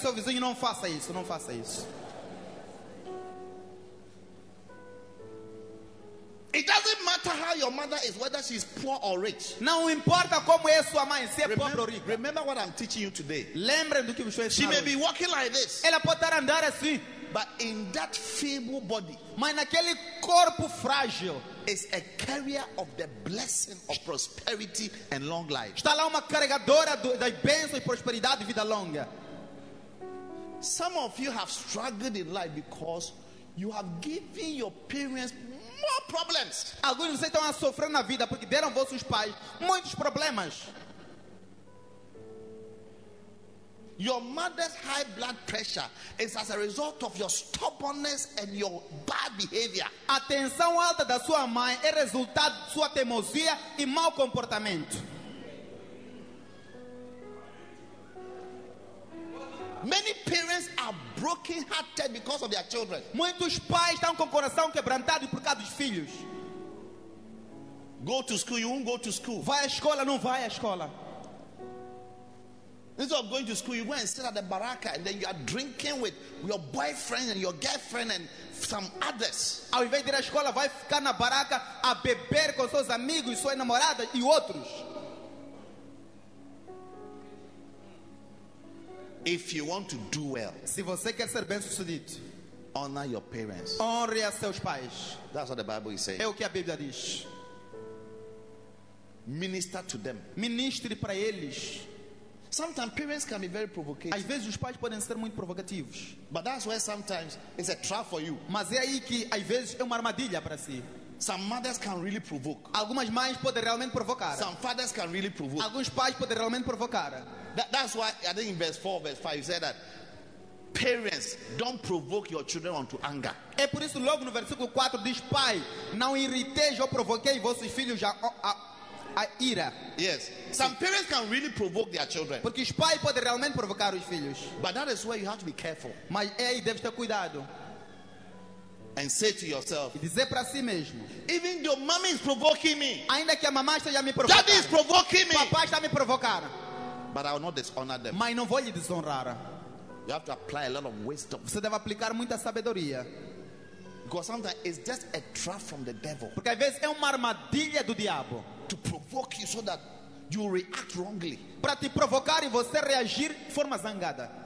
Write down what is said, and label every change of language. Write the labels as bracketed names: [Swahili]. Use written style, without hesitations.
[Portuguese] seu vizinho, não faça isso, não faça isso. [English] It doesn't matter how your mother is, whether she's poor or rich. [Portuguese] Não importa como é sua mãe, se é pobre ou rica. [English] Remember what I'm teaching you today. [Portuguese] Lembre do que eu estou ensinando. [English] She may be walking like this. [Portuguese] Ela pode estar andar assim. [English] But in that feeble body, [Portuguese] mas naquele corpo frágil, [English] is a carrier of the blessing of prosperity and long life. [Portuguese] Está lá uma carregadora da bênção e prosperidade e vida longa. [English] Some of you have struggled in life because you have given your parents more problems. [Portuguese] Alguns de vocês estão a sofrer na vida porque deram vossos pais muitos problemas. [English] Your mother's high blood pressure is as a result of your stubbornness and your bad behavior. [Portuguese] A tensão alta da sua mãe é resultado de sua teimosia e mau comportamento. [English] Many parents are broken hearted because of their children. [Portuguese] Muitos pais estão com o coração quebrantado por causa dos filhos. [English] Go to school, you won't go to school. [Portuguese] Vai à escola, não vai à escola. [English] Instead of going to school, you go and sit at the baraka and then you are drinking with your boyfriend and your girlfriend and some others. [Portuguese] Ao invés de ir à escola, vai ficar na baraka a beber com seus amigos e sua namorada e outros. [English] If you want to do well, [Portuguese] se você quer ser bem-sucedido, [English] honor your parents. [Portuguese] Honre a seus pais. [English] That's what the Bible is saying. [Portuguese] É o que a Bíblia diz. [English] Minister to them. [Portuguese] Ministre para eles. [English] Sometimes parents can be very provocative. [Portuguese] Às vezes os pais podem ser muito provocativos. [English] But that's where sometimes it's a trap for you. [Portuguese] Mas é aí que às vezes é uma armadilha para si. [English] Some mothers can really provoke. [Portuguese] Algumas mães podem realmente provocar. [English] Some fathers can really provoke. [Portuguese] Alguns pais podem realmente provocar. [English] That's why I think in verse 4, verse 5, he said that parents don't provoke your children unto anger. [Portuguese] É por isso logo no versículo 4 diz pai, não irriteis ou provoquei vossos filhos a ira. [English] Yes. Some parents can really provoke their children. [Portuguese] Porque os pais podem realmente provocar os filhos. [English] But that is where you have to be careful. [Portuguese] Mas é aí deve ter cuidado. [English] And say to yourself, [Portuguese] e dizer para si mesmo, [English] even though mommy is provoking me, [Portuguese] ainda que a mamãe esteja me provocando, [English] daddy is provoking me, [Portuguese] papai está me provocar, [English] but I will not dishonor them. [Portuguese] Mas não vou lhe desonrar. [English] You have to apply a lot of wisdom. [Portuguese] Você deve aplicar muita sabedoria. [English] Because sometimes it's just a trap from the devil. [Portuguese] Porque às vezes é uma armadilha do diabo. [English] To provoke you so that you react wrongly. [Portuguese] Para te provocar e você reagir de forma zangada.